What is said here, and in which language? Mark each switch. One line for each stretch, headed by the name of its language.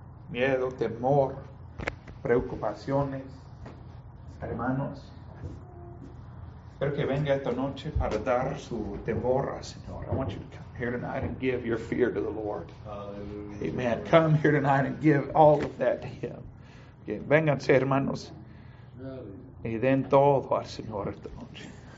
Spanish: miedo, temor, preocupaciones, hermanos. Espero que venga esta noche para dar su temor al Señor.
English: I want you to come here tonight and give your fear to the Lord. Hallelujah. Amen. Come here tonight and give all of that to Him.
Spanish: Okay. Vénganse, hermanos. Y den todo al Señor esta noche.